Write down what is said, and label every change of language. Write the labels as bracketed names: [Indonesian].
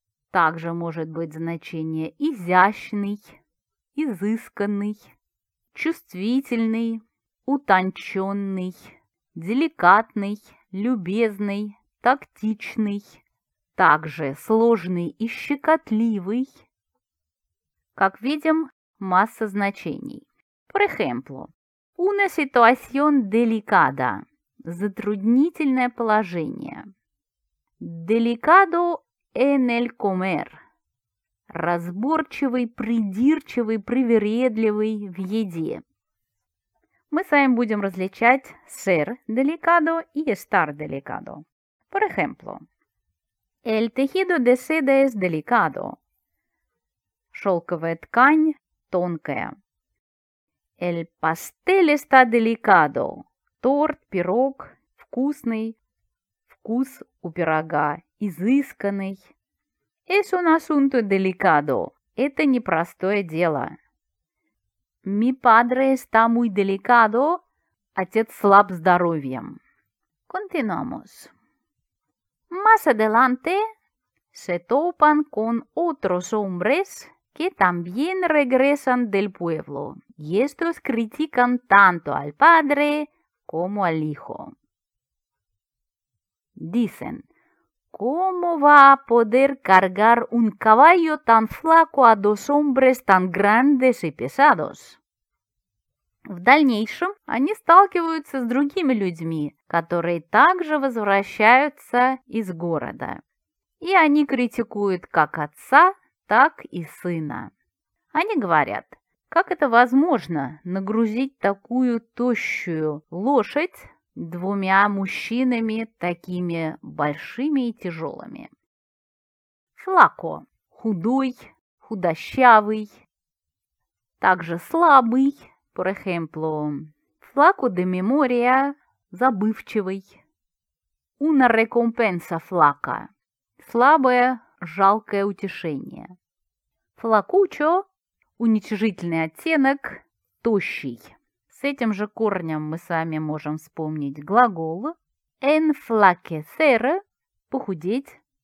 [Russian] Также может быть значение изящный, изысканный, чувствительный, утонченный, деликатный, любезный, тактичный. Также сложный и щекотливый. Как видим, масса значений. [Spanish] Por ejemplo, una situación delicada. [Russian] Затруднительное положение. [Spanish] Delicado en el comer. [Russian] Разборчивый, придирчивый, привередливый в еде. Мы с вами будем различать ser delicado и estar delicado. [Spanish] Por ejemplo, el tejido de seda es delicado. [Russian] Шелковая ткань тонкая. [Spanish] El pastel está delicado. [Russian] Торт, пирог, вкусный. Вкус у пирога изысканный. [Spanish] Es un asunto delicado. [Russian] Это непростое дело. [Spanish] Mi padre está muy delicado. [Russian] Отец слаб здоровьем. [Spanish] Continuamos. Más adelante se topan con otros hombres que también regresan del pueblo. Y estos critican tanto al padre como al hijo. Dicen, ¿cómo va a poder cargar un caballo tan flaco a dos hombres tan grandes y pesados? [Russian] В дальнейшем они сталкиваются с другими людьми, которые также возвращаются из города. И они критикуют как отца, так и сына. Они говорят, как это возможно нагрузить такую тощую лошадь двумя мужчинами такими большими и тяжелыми? Флако – худой, худощавый, также слабый. [Spanish] Por ejemplo, флаку де мемория [Russian] забывчивый. [Spanish] Una recompensa флака. [Russian] Слабое, жалкое утешение. Флакучо – уничижительный оттенок, тощий. С этим же корнем мы с вами можем вспомнить глагол enflaquecer – похудеть.